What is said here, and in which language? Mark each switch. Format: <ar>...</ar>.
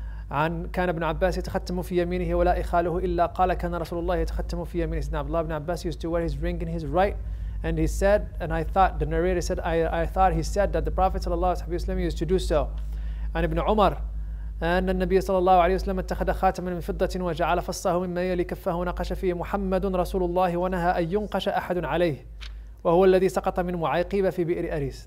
<ar>عن كان ابن عباس يتختم في يمينه ولا إخاله إلا قال كان رسول الله يتختم في يمينه.</ar> <en>Now Abdullah ibn Abbas used to wear his ring in his right, and he said, and I thought, the narrator said, I thought he said that the Prophet sallallahu alaihi wasallam used to do so.</en> <ar>عن ابن عمر أن النبي صلى الله عليه وسلم اتخذ خاتما من فضة وجعل فصه مما يلي كفه ونقش فيه محمد رسول الله ونهى أن ينقش أحد عليه وهو الذي سقط من معيقب في بئر أريس.</ar>